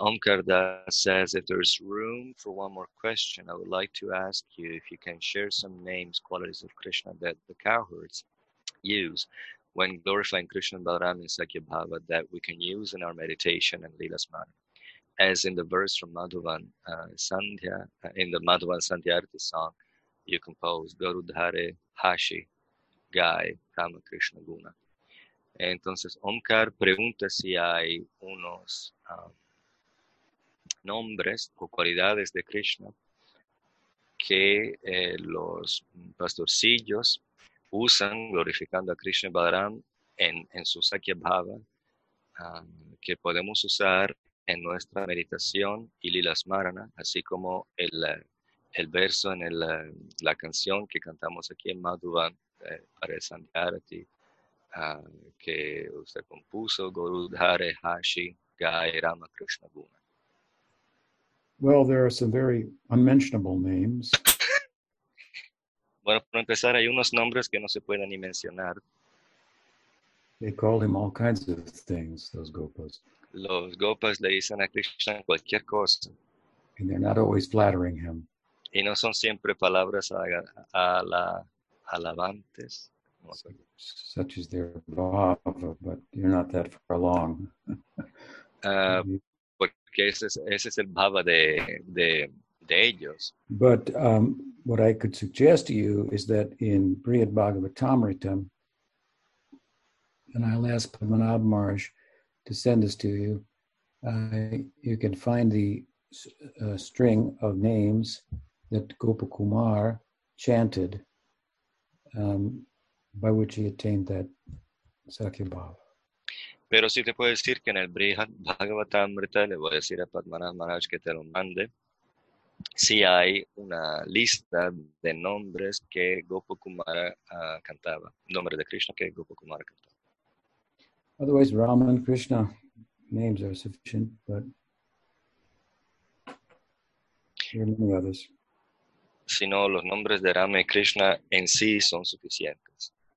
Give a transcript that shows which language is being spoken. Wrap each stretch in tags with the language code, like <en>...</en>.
<en>Omkar Das says, if there's room for one more question, I would like to ask you if you can share some names, qualities of Krishna that the cowherds use when glorifying Krishna Balaram in Sakya Bhava that we can use in our meditation and Lila Smara. As in the verse from Madhuvan Sandhya, in the Madhuvan Sandhyarati song you composed, Garudhare, Hashi, Gai, Rama, Krishna, Guna.</en> <es>Entonces, Omkar pregunta si hay unos nombres o cualidades de Krishna que los pastorcillos usan glorificando a Krishna Balaram en su Sakya Bhava, que podemos usar en nuestra meditación y Lila Smarana, así como el verso en la canción que cantamos aquí en Madhuvan para el Sandhyarati, que usted compuso, Gurudhare Hashi Gai Rama Krishna Guna.</es> <en>Well, there are some very unmentionable names.</en> <es>Bueno, para empezar, hay unos nombres que no se pueden ni mencionar.</es> <en>They call him all kinds of things, those gopas.</en> <es>Los gopas le dicen a Krishna cualquier cosa.</es> <en>And they're not always flattering him.</en> <es>Y no son siempre palabras alabantes.</es> <en>Such is their bhava, but you're not that far along.</en> <es>Porque ese es el bhava de ellos.</es> <en>But what I could suggest to you is that in Brihad Bhagavatamritam, and I'll ask Padmanabh Maharaj to send this to you, you can find the string of names that Gopakumar chanted by which he attained that Sakya Bhava.</en> <es>Pero si te puedo decir que en el Brihad Bhagavatamrita, le voy a decir a Padmanabh Maharaj que te lo mande, si hay una lista de nombres que Gopakumar cantaba, nombre de Krishna que Gopakumar cantaba.</es> <en>Otherwise, Rama and Krishna names are sufficient, but there are many others.</en> <es>Si no, los nombres de Rama y Krishna en sí son suficientes.</es>